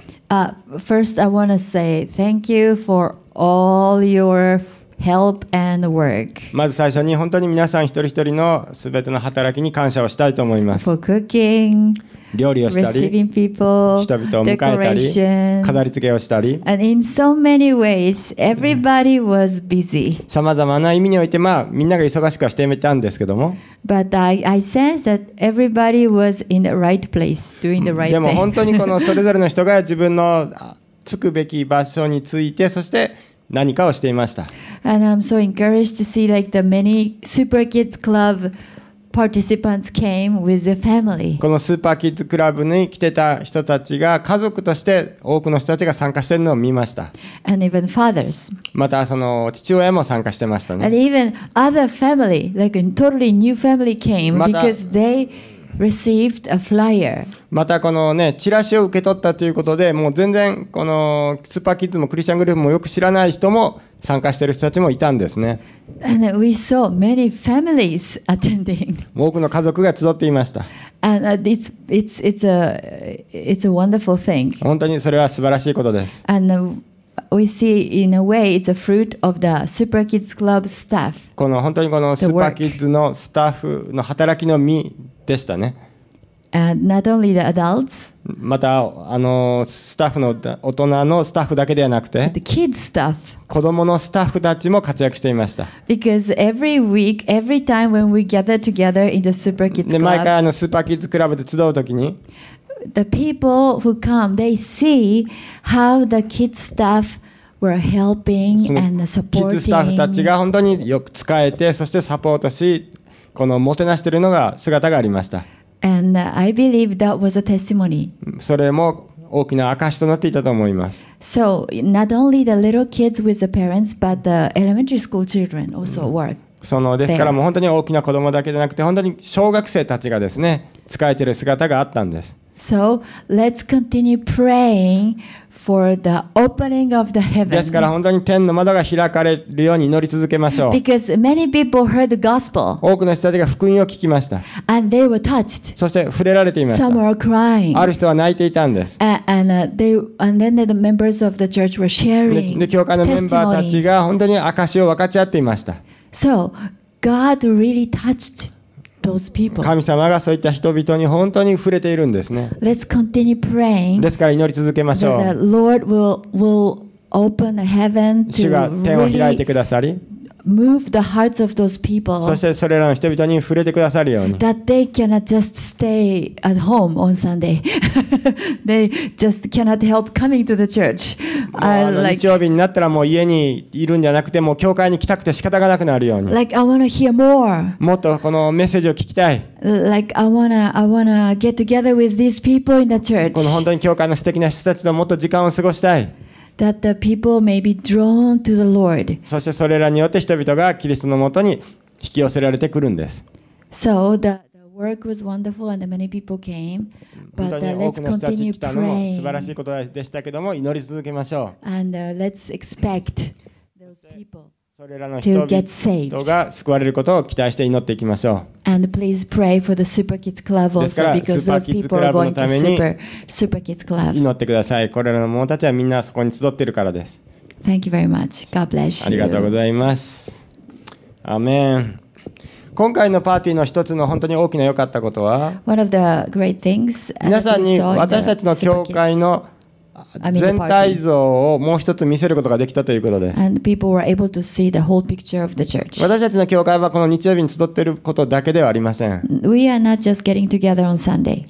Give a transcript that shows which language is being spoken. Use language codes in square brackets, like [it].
[en] First, I want to say thank you for all your help and work. [ja] まず最初に本当に皆さん一人一人のすべての働きに感謝をしたいと思います。 [en] For cooking. [ja] 料理をしたり、 [en] Receiving people, [ja] 人々を迎えたり、飾り付けをしたり、 [en] And in so many ways, everybody was busy. [ja] さまざまな意味において、みんなが忙しくはしていたんですけども、 [en] But I sense that everybody was in the right place, doing the right thing. [ja] でも本当にこのそれぞれの人が自分のつくべき場所について、そして何かをしていました。 [en] And I'm so encouraged to see like the many super kids club. Participants came with the family. [ja] このスーパーキッズクラブに来てた人たちが家族として多くの人たちが参加してるのを見ました。 [en] And even fathers. [ja] またその父親も参加してましたね。 [en] And even other family, like a totally new family came because they received a flyer. [ja] またこのね、チラシを受け取ったということで、もう全然このスーパーキッズもクリスチャングループもよく知らない人も参加している人たちもいたんですね。 [en] And we saw many families attending. [ja] 多くの家族が集っていました。 [en] And it's a wonderful thing. [ja] 本当にそれは素晴らしいことです。 [en] And we see in a way it's a fruit of the Super Kids Club staff. [ja] この本当にこのスーパーキッズのスタッフの働きの実でしたね。 [en] Not only the adults. [ja] またあのスタッフの大人のスタッフだけではなくて、 [en] the kids staff. [ja] 子供のスタッフたちも活躍していました。 [en] Because every week, every time when we gather together in the Super Kids Club. [ja] で毎回あのスーパーキッズクラブで集うときに。 [en] The people who come, they see how the kids staff were helping and supporting. [ja] キッズスタッフたちが本当によく使えて、そしてサポートし、このもてなしているのが姿がありました。 [en] And I believe that was a testimony. [ja] それも大きな証となっていたと思います。 [en] So not only the little kids with the parents, but the elementary school children also work. [ja] そのですからもう本当に大きな子供だけでなくて、本当に小学生たちがですね、使えている姿があったんです。 [en] So let's continue praying for the opening of the heaven. [ja] ですから本当に天の窓が開かれるように祈り続けましょう。 [en] Because many people heard the gospel. [ja] 多くの人たちが福音を聞きました。 [en] And they were touched. [ja] そして触れられていました。 [en] Some were crying. [ja] ある人は泣いていたんです。 [en] And then the members of the church were sharing. [ja] で教会のメンバーたちが本当に証を分かち合っていました。 [en] So God really touched. Those people. [ja] 神様がそういった人々に本当に触れているんですね。 [en] Let's continue praying. [ja] ですから祈り続けましょう。 [en] That the Lord will open the heaven to really [ja] 主が天を開いてくださり、 [en] move the hearts of those people. [ja] そしてそれらの人々に触れてくださるように。 [en] That they cannot just stay at home on Sunday. They just cannot help coming to the church. [ja] 日曜日になったらもう家にいるんじゃなくて、もう教会に来たくて仕方がなくなるように。 [en] Like I wanna hear more. [ja] もっとこのメッセージを聞きたい。 [en] Like I wanna get together with these people in the church. [ja] この本当に教会の素敵な人たちともっと時間を過ごしたい。 [en] That the people may be drawn to the Lord. [ja] そしてそれらによって人々がキリストのもとに引き寄せられてくるんです。 [en] So the work was wonderful and many people came. But let's continue praying. [ja] 本当に多くの人たち来たのも素晴らしいことでしたけども、祈り続けましょう。 [en] And let's expect those people. [ja] それらの人々が救われることを期待して祈っていきましょう。 [en] And please pray for the Super Kids Club also because those people are going to Super Kids Club. [ja] 祈ってください。これらの者たちはみんなそこに集っているからです。 [en] Thank you very much. God bless you. [ja] ありがとうございます。アメン。今回のパーティーの一つの本当に大きな良かったことは、皆さんに私たちの教会の全体像をもう一つ見せることができたということです。私たちの教会はこの日曜日に集っていることだけではありません。 [en] We are not just getting together on Sunday.